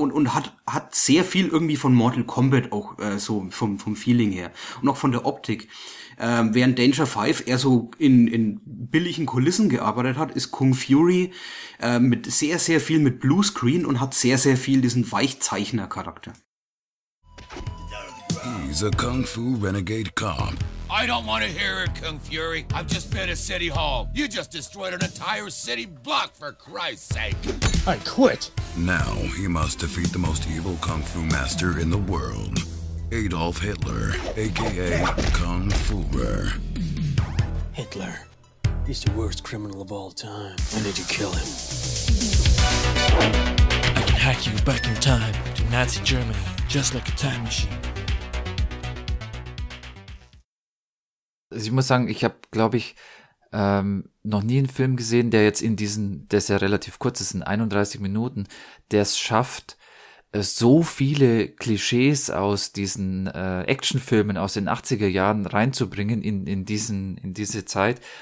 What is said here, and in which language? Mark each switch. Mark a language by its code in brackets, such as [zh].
[de] Und hat sehr viel irgendwie von Mortal Kombat auch so vom Feeling her. Und auch von der Optik. Während Danger 5 eher so in billigen Kulissen gearbeitet hat, ist Kung Fury mit sehr, sehr viel mit Bluescreen und hat sehr, sehr viel diesen Weichzeichner-Charakter. [en] He's a Kung Fu Renegade Cop. I don't want to hear it, Kung Fury. I've just been to City Hall. You just destroyed an entire city block, for Christ's sake. I quit. Now he must defeat the most evil Kung Fu master in the world. Adolf Hitler, a.k.a. Kung Fuer. Hitler, he's the worst criminal of all time. I need to kill him. I can hack you back in time to Nazi Germany, just like a time machine. [de] Ich muss sagen, ich habe, glaube ich, noch nie einen Film gesehen, der jetzt in diesen, der ist ja relativ kurz, ist in 31 Minuten, der es schafft, so viele Klischees aus diesen Actionfilmen aus den 80er Jahren reinzubringen in diese Zeit.